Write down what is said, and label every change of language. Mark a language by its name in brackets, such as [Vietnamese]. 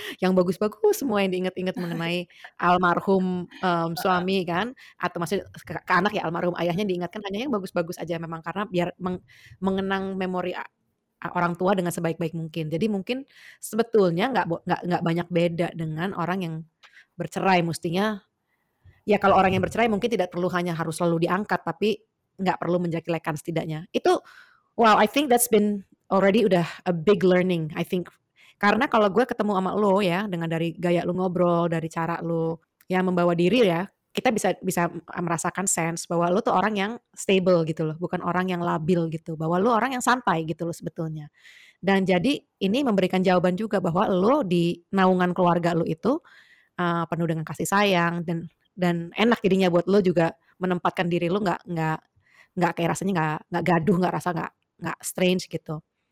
[Indonesian] Yang bagus-bagus semua yang diingat-ingat mengenai almarhum suami kan, atau maksudnya ke anak ya, almarhum ayahnya diingatkan hanya yang bagus-bagus aja memang, karena biar mengenang memori orang tua dengan sebaik-baik mungkin. Jadi mungkin sebetulnya nggak banyak beda dengan orang yang bercerai. Mestinya ya kalau orang yang bercerai mungkin tidak perlu hanya harus selalu diangkat, tapi nggak perlu menjelek-jelekan setidaknya. [English] Itu wow, I think that's been already udah a big learning, I think. [Indonesian] Karena kalau gue ketemu sama lo ya, dengan dari gaya lo ngobrol, dari cara lo yang membawa diri ya, kita bisa merasakan sense bahwa lo tuh orang yang stable gitu loh, bukan orang yang labil gitu, bahwa lo orang yang santai gitu loh sebetulnya. Dan jadi ini memberikan jawaban juga bahwa lo di naungan keluarga lo itu penuh dengan kasih sayang, dan enak jadinya buat lo juga menempatkan diri lo nggak kayak rasanya nggak gaduh, nggak rasa nggak strange gitu.